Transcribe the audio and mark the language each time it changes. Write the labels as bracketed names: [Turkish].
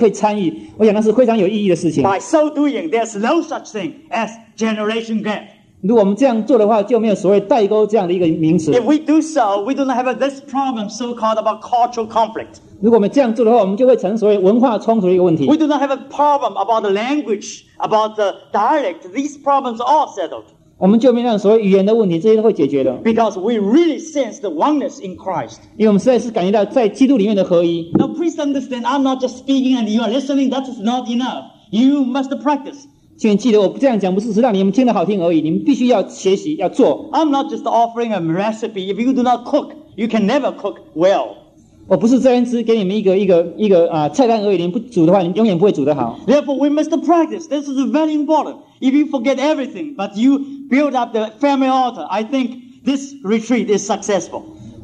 [Chinese] 全家人可以轮流,先是父亲,母亲,孩子们也可以参与。我想那是非常有意义的事情。 [English] By so doing, there's no such thing as generation gap. [Chinese] 如果我们这样做的话,就没有所谓代沟这样的一个名词。 [English] If we do so, we don't have this problem so-called about cultural conflict. [Chinese] 如果我们这样做的话,我们就会成为文化冲突的一个问题。 [English] We do not have a problem about the language, about the dialect. These problems are all settled. [Chinese] 我们就没有所谓语言的问题,这些都会解决的。 [English] Because we really sense the oneness in Christ. [Chinese] 因为我们实在是感觉到在基督里面的合一。 [English] Now please understand, I'm not just speaking and you are listening, that is not enough. You must practice. [Chinese] 请记得我这样讲不是只让你们听得好听而已,你们必须要学习,要做。 [English] I'm not just offering a recipe. If you do not cook, you can never cook well. [Chinese] 我不是这边只给你们一个菜单而已,你们不煮的话,你们永远不会煮得好。 [English] Therefore we must practice, this is very important. If you forget everything, but you build up the family altar, I think this retreat is successful.